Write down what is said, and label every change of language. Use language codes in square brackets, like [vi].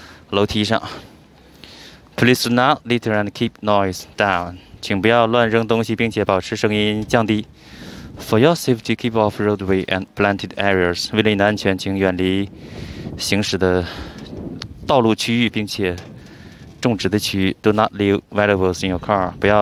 [zh] 有礼貌地对其他人在街道上和楼梯上。 [en] Please do not litter and keep noise down. [zh] 请不要乱扔东西并且保持声音降低。 [en] For your safety, keep off roadway and planted areas. [zh] 为了你的安全，请远离行驶的道路区域，并且 种植的区域。 [en] Do not leave valuables in your car.